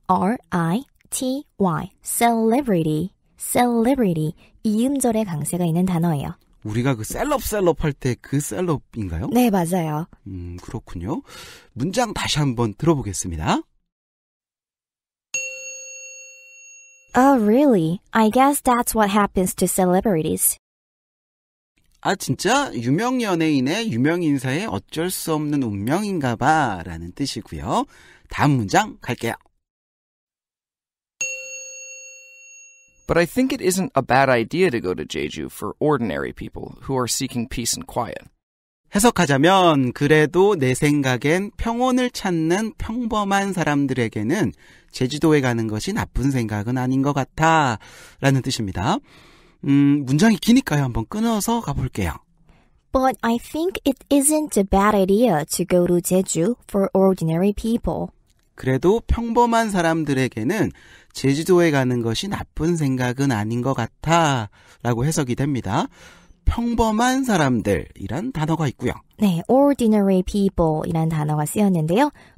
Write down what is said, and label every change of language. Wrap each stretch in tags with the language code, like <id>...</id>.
<ko>C-E-L-E-B-R-I-T-Y, celebrity, celebrity, 이음절의 강세가 있는 단어예요. 우리가 그 셀럽셀럽 할 때 그 셀럽인가요? 네, 맞아요. 그렇군요. 문장 다시 한번 들어보겠습니다.</ko> <en>Oh, really? I guess that's what happens to celebrities.</en> <ko>아, 진짜? 유명 연예인의 유명 인사의 어쩔 수 없는 운명인가 봐 라는 뜻이고요. 다음 문장 갈게요.</ko> <en>But I think it isn't a bad idea to go to Jeju for ordinary people who are seeking peace and quiet.</en> <ko>해석하자면 그래도 내 생각엔 평온을 찾는 평범한 사람들에게는 제주도에 가는 것이 나쁜 생각은 아닌 것 같아 라는 뜻입니다. 문장이 기니까요. 한번 끊어서 가볼게요.</ko> <en>But I think it isn't a bad idea to go to Jeju for ordinary people.</en> <ko>그래도 평범한 사람들에게는 제주도에 가는 것이 나쁜 생각은 아닌 것 같아 라고 해석이 됩니다. 평범한 사람들이란 단어가 있고요. 네, ordinary people이란 단어가 쓰였는데요.</ko>